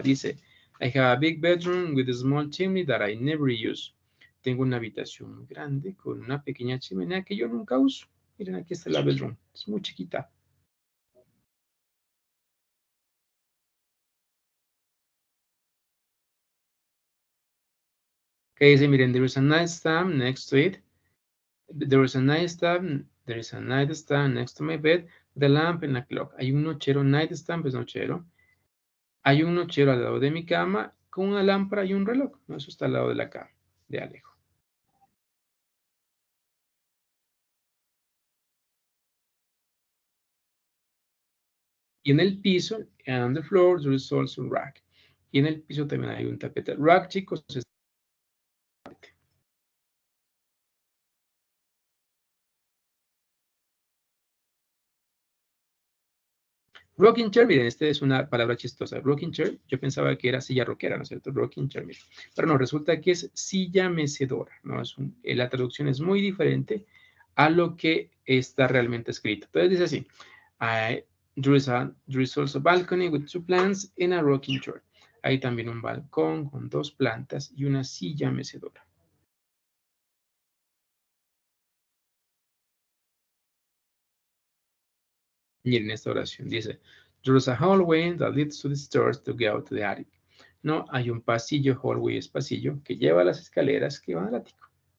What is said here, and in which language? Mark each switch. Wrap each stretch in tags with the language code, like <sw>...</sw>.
<es>Dice,</es> <en>I have a big bedroom with a small chimney that I never use.</en> <es>Tengo una habitación grande con una pequeña chimenea que yo nunca uso. Miren, aquí está la bedroom. Es muy chiquita. ¿Qué dice?</es> <en>Miren, there is a nightstand next to it. There is a nightstand next to my bed. The lamp and the clock.</en> <es>Hay un nochero, nightstand es nochero. Hay un nochero al lado de mi cama con una lámpara y un reloj. Eso está al lado de la cama de Alejo. Y en el piso,</es> <en>and on the floor, there is also a rack.</en> <es>Y en el piso también hay un tapete. Rack, chicos, es... Rocking chair, miren, esta es una palabra chistosa. Rocking chair, yo pensaba que era silla rockera, ¿no es cierto? Rocking chair, miren. Pero no, resulta que es silla mecedora, ¿no? La traducción es muy diferente a lo que está realmente escrito. Entonces dice así:</es> <en>there is also a balcony with two plants and a rocking chair.</en> <es>Hay también un balcón con dos plantas y una silla mecedora. Miren esta oración, dice,</es> <en>there is a hallway that leads to the stairs to go to the attic.</en> <es>No, hay un pasillo, hallway es pasillo, que lleva a las escaleras que van al ático.</es>